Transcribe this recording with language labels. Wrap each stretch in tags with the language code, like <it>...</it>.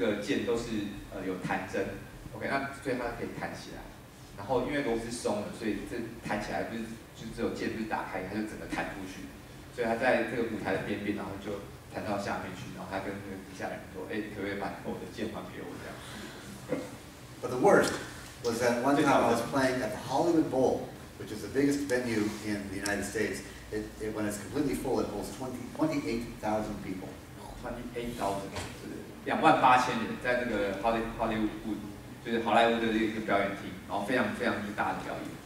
<zh>感觉起来好像变成吹soprano，就变吹着变得比较小，所以他就很不习惯。那另外还有就是，有一次是那个他的键掉下来，那因为我们这个键都是有弹针 ，OK， 那所以他可以弹起来，然后因为螺丝松了，所以这弹起来不是就只有键不是打开，它就整个弹出去，所以他在这个舞台的边边，然后就弹到下面去，然后他跟那个底下人说，可不可以把我的键还给我这样。</zh> <en>But the worst was that one time I was playing at the Hollywood Bowl, which is the biggest venue in the United States. It when it's completely full, it holds 28,000 people.</en> <zh>28,000，就是28,000人，在那个好莱坞的一个表演厅，然后非常非常之大的表演。</zh>